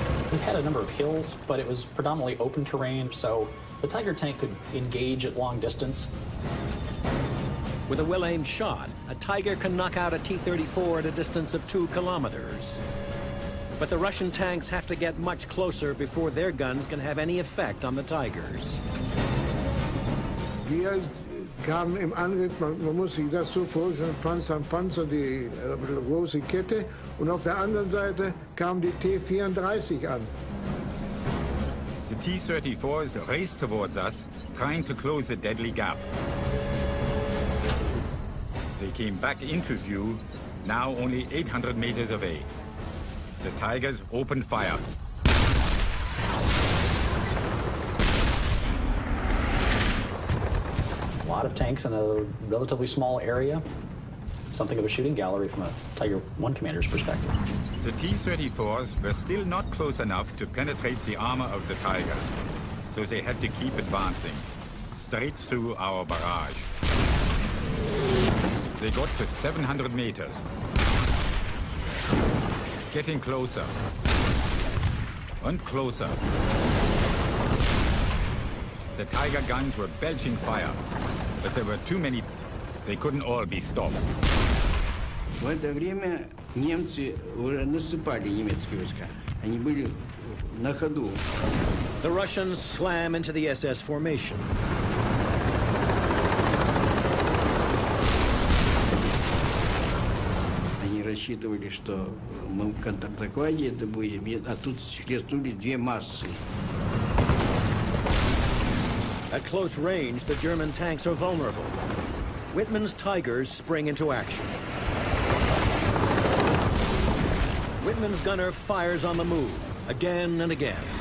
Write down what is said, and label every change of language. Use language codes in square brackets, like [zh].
[en] He had a number of hills, but it was predominantly open terrain, so the Tiger tank could engage at long distance. With a well-aimed shot, a Tiger can knock out a T-34 at a distance of 2 kilometers. But the Russian tanks have to get much closer before their guns can have any effect on the Tigers. We came in [de] Angriff, man muss sich das so vorstellen, Panzer an Panzer, die große Kette. Und auf der anderen Seite kam die T-34 an. [en] The T-34 is raced towards us, trying to close the deadly gap. They came back into view, now only 800 meters away. The Tigers opened fire. lot of tanks in a relatively small area. Something of a shooting gallery from a Tiger I commander's perspective. The T-34s were still not close enough to penetrate the armor of the Tigers, so they had to keep advancing, straight through our barrage. They got to 700 meters. Getting closer. And closer. The Tiger guns were belching fire, but there were too many. They couldn't all be stopped. [ru] В это время немцы уже наступали немецкие войска. Они были на ходу. [en] The Russians slam into the SS formation. [ru] Они рассчитывали, что мы в контратаке это будем, а тут схлестнулись две массы. [en] At close range, the German tanks are vulnerable. Wittmann's Tigers spring into action. Wittmann's gunner fires on the move, again and again.